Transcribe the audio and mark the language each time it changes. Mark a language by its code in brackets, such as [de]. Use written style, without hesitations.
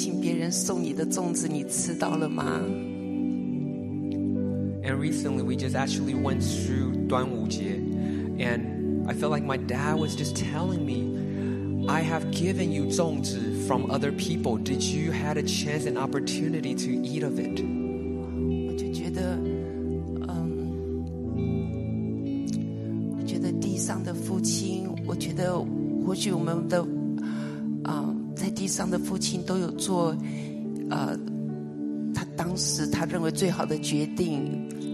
[zh] 昨天刚刚我们知道刚刚过了端午节，然后我爸爸就跟我说，我请别人送你的粽子，你吃到了吗？ [en] And recently, we just actually went through 端午节, and I felt like my dad was just telling me, I have given you 粽子 from other people. Did you had a chance and opportunity to eat of it? [zh] 我觉得地上的父亲，我觉得或许我们的在地上的父亲都有做他当时他认为最好的决定。